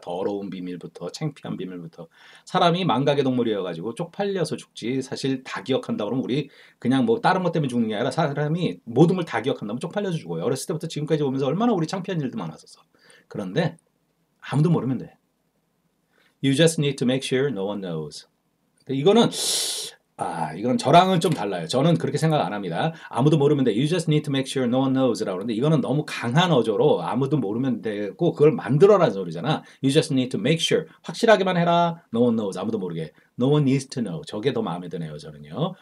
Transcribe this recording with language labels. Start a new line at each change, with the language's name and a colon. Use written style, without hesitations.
Korean: 더러운 비밀부터 창피한 비밀부터 사람이 망각의 동물이어가지고 쪽팔려서 죽지 사실 다 기억한다고 그러면 우리 그냥 뭐 다른 것 때문에 죽는 게 아니라 사람이 모든 걸 다 기억한다면 쪽팔려서 죽어요. 어렸을 때부터 지금까지 오면서 얼마나 우리 창피한 일도 많았었어. 그런데 아무도 모르면 돼.
English: You just need to make sure no one knows.
Korean: 이거는 이건 저랑은 좀 달라요. 저는 그렇게 생각 안 합니다. 아무도 모르면 돼.
English: You just need to make sure no one knows
Korean: 라고 하는데 이거는 너무 강한 어조로 아무도 모르면 되고 그걸 만들어라는 소리잖아.
English: You just need to make sure.
Korean: 확실하게만 해라.
English: No one knows.
Korean: 아무도 모르게.
English: No one needs to know.
Korean: 저게 더 마음에 드네요. 저는요.